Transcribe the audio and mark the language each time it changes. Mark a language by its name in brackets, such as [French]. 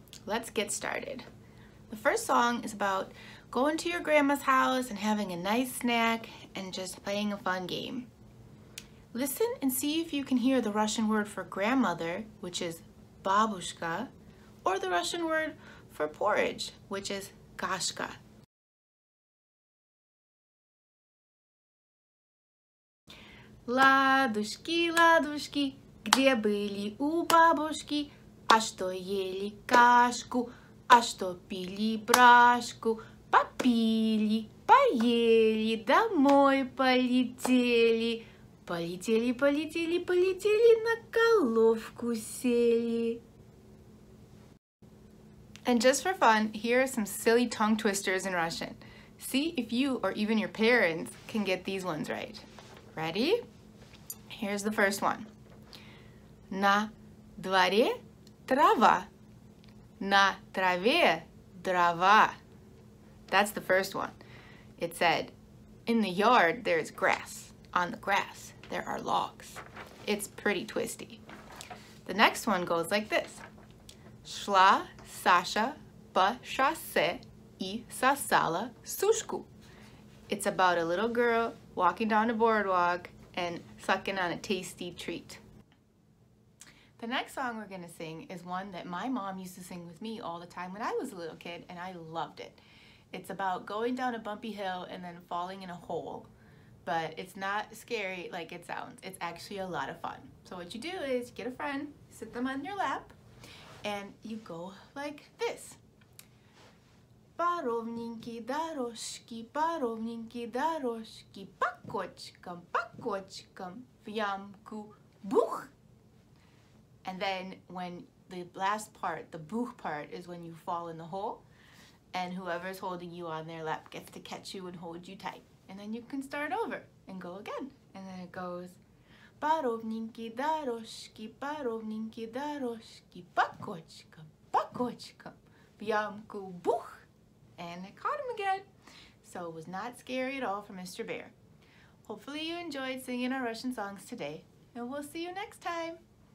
[English] Let's get started. The first song is about going to your grandma's house and having a nice snack and just playing a fun game. Listen and see if you can hear the Russian word for grandmother, which is babushka, or the Russian word for porridge, which is kashka. [Russian] Ладушки, ладушки, где были у бабушки? А что ели кашку, а что пили бражку? Попили, поели, домой полетели. Полетели, полетели, полетели, на головку сели. [English] And just for fun, here are some silly tongue twisters in Russian. See if you or even your parents can get these ones right. Ready? Here's the first one. [Russian] На дворе трава. На траве дрова. [English] That's the first one. It said, in the yard there is grass. On the grass there are logs. It's pretty twisty. The next one goes like this. [Russian] Шла Саша по шоссе и сосала сушку. [English] It's about a little girl walking down a boardwalk and sucking on a tasty treat. The next song we're gonna sing is one that my mom used to sing with me all the time when I was a little kid, and I loved it. It's about going down a bumpy hill and then falling in a hole, but it's not scary like it sounds. It's actually a lot of fun. So what you do is you get a friend, sit them on your lap, and you go like this. [Russian] По ровненькой дорожке, по ровненькой дорожке, по кочкам, в ямку, бух. [English] And then when the last part, the бух part, is when you fall in the hole, and whoever's holding you on their lap gets to catch you and hold you tight. And then you can start over and go again. And then it goes, [Russian] по ровненькой дорожке, по ровненькой дорожке, по кочкам, в ямку, бух. [English] And I caught him again. So it was not scary at all for Mr. Bear. Hopefully you enjoyed singing our Russian songs today, and we'll see you next time.